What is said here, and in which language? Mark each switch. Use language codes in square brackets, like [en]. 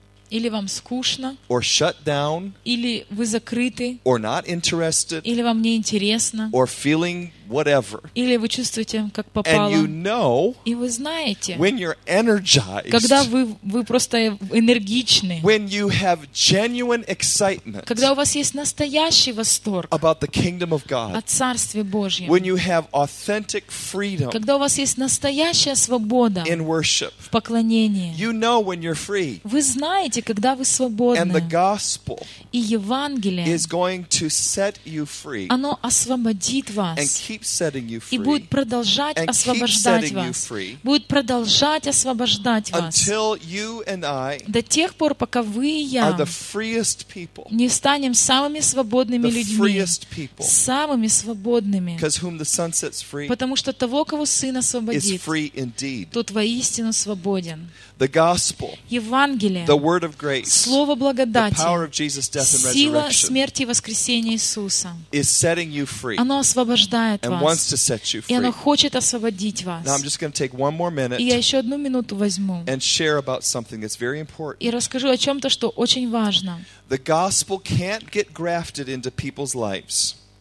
[ru] Или вам скучно? [en] Or shut down? [ru] Или вы закрыты? [en] Or not interested? [ru] Или вам не интересно? [en] Or feeling whatever? [ru] Или вы чувствуете, как попало? [en] And you know, [ru] и вы знаете, [en] when you're energized, [ru] когда вы просто энергичны, [en] when you have genuine excitement, [ru] когда у вас есть настоящий восторг [en] about the kingdom of God, [ru] о Царстве Божьем, [en] when you have authentic freedom, [ru] когда у вас есть настоящая свобода [en] in worship, [ru] в поклонении, [en] you know when you're free, [ru] вы знаете, когда вы свободны. [en] And the gospel [ru] и Евангелие [en] is going to set you free, [ru] оно освободит вас [en] and keep setting you free, [ru] и будет продолжать [en] and [ru] освобождать [en] keep setting [ru] вас [en] you free, [ru] будет продолжать освобождать [en] until [ru] вас [en] you and I [ru] до тех пор, пока вы и я [en] are the freest people, [ru] не станем самыми свободными [en] the [ru] людьми [en] freest people, [ru] самыми свободными, [en] whom the sun sets free, [ru] потому что того, кого Сын освободит, [en] is free indeed, [ru] тот воистину свободен. [en] The gospel, [ru] Евангелие, [en] the word of grace, [ru] слово благодати, [en] the power of Jesus, death and resurrection, [ru] сила смерти и воскресения Иисуса, [en] is setting you free, [ru] оно освобождает [en] and [ru] вас, [en] wants to set you free, [ru] и оно хочет освободить вас. [en] Now I'm just going to take one more minute, [ru] и я еще одну минуту возьму, [en] and share about something that's very important, [ru] и расскажу о чем-то, что очень важно. [en] The gospel can't get grafted into people's lives.